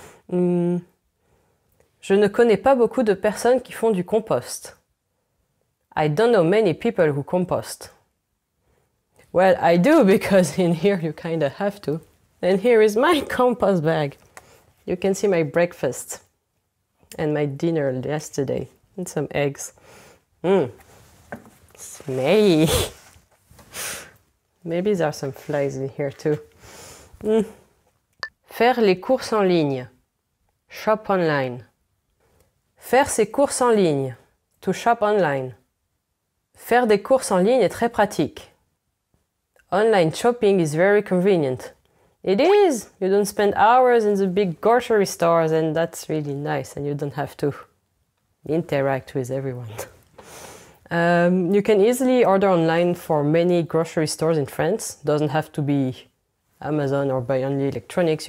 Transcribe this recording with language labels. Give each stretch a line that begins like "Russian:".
French: Je ne connais pas beaucoup de personnes qui font du compost.
English: I don't know many people who compost. Well, I do because in here you kind of have to. And here is my compost bag. You can see my breakfast and my dinner yesterday and some eggs. Smelly. Maybe there are some flies in here too.
French: Faire les courses en ligne.
English: Shop online.
French: Faire ses courses en ligne.
English: To shop online.
French: Faire des courses en ligne est très pratique.
English: Online shopping is very convenient. It is! You don't spend hours in the big grocery stores and that's really nice and you don't have to interact with everyone. You can easily order online for many grocery stores in France. Doesn't have to be Amazon or buy only electronics.